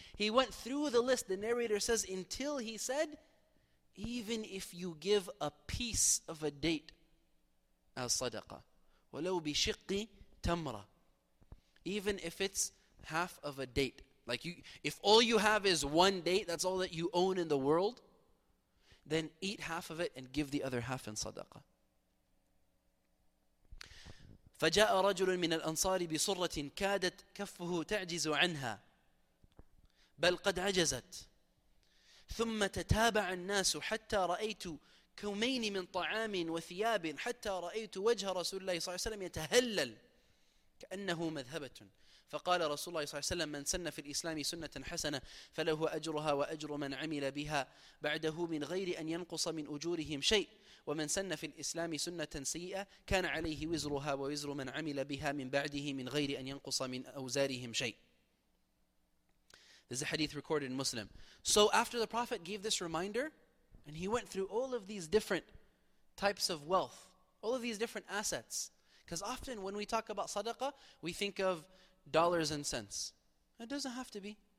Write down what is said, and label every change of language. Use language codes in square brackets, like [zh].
[en] He went through the list, the narrator says, until he said, even if you give a piece of a date as sadaqah, [ar] وَلَوْ بِشِقِّ تَمْرَ. [en] Even if it's half of a date. Like you, if all you have is one date, that's all that you own in the world, then eat half of it and give the other half in sadaqah. [ar] فَجَاءَ رَجُلٌ مِنَ الْأَنصَارِ بِصُرَّةٍ كَادَتْ كَفُّهُ تَعْجِزُ عَنْهَا بَلْ قَدْ عَجَزَتْ ثُمَّ تَتَابَعَ النَّاسُ حَتَّى رَأَيْتُ كُمَيْنِ مِنْ طَعَامٍ وَثِيَابٍ حَتَّى رَأَيْتُ وَجْهَ رَسُولِ اللَّهِ صَلَّى اللَّهُ عَلَيْهِ وَسَلَّمَ يَتَهَلَّلْ كَأَنَّهُ مَذْهَبَةٌ فقال رسول الله صلى الله عليه وسلم من سن في الإسلام سنة حسنة فله أجرها وأجر من عمل بها بعده من غير أن ينقص من أجورهم شيء ومن سن في الإسلام سنة سيئة كان عليه وزرها ووزر من عمل بها من بعده من غير أن ينقص من أوزارهم شيء. [en] This is a hadith recorded in Muslim. So after the Prophet gave this reminder, and he went through all of these different types of wealth, all of these different assets, Because often when we talk about sadaqah, we think of dollars and cents. It doesn't have to be.